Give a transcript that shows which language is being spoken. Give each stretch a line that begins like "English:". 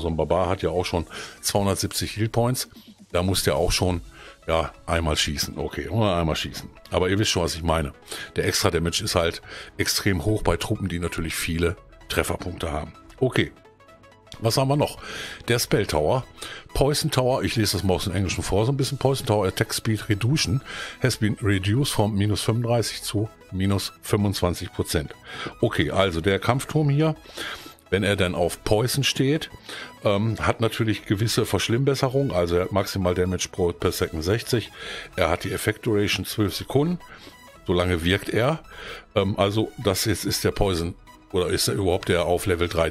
German: So ein Barbar hat ja auch schon 270 Healpoints. Da muss der auch schon, ja, einmal schießen. Okay, nur einmal schießen. Aber ihr wisst schon, was ich meine. Der Extra-Damage ist halt extrem hoch bei Truppen, die natürlich viele Trefferpunkte haben. Okay. Was haben wir noch? Der Spell Tower, Poison Tower, ich lese das mal aus dem Englischen vor, so ein bisschen.
English: Poison Tower Attack Speed Reduction has been reduced from minus 35 zu minus 25%.
German: Okay, also der Kampfturm hier, wenn er dann auf Poison steht, hat natürlich gewisse Verschlimmbesserung. Also er hat maximal Damage pro per Second 60. Er hat die Effect Duration 12 Sekunden. So lange wirkt er. Also das jetzt ist der Poison. Oder ist er überhaupt der auf Level 3?